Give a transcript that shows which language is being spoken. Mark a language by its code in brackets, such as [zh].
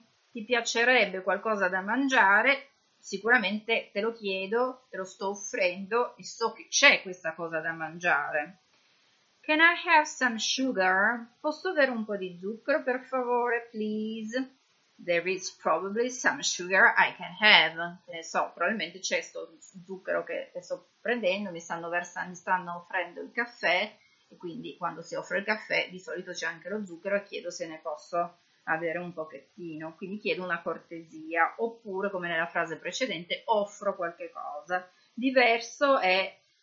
[it] Ti piacerebbe qualcosa da mangiare? Sicuramente te lo chiedo, te lo sto offrendo e so che c'è questa cosa da mangiare. [en] Can I have some sugar? [it] Posso avere un po' di zucchero, per favore, [en] please? There is probably some sugar I can have. [it] Ne so, probabilmente c'è sto zucchero che sto prendendo, mi stanno offrendo il caffè e quindi quando si offre il caffè di solito c'è anche lo zucchero e chiedo se ne posso avere un pochettino, quindi chiedo una cortesia, oppure come nella frase precedente, offro qualche cosa. Diverso è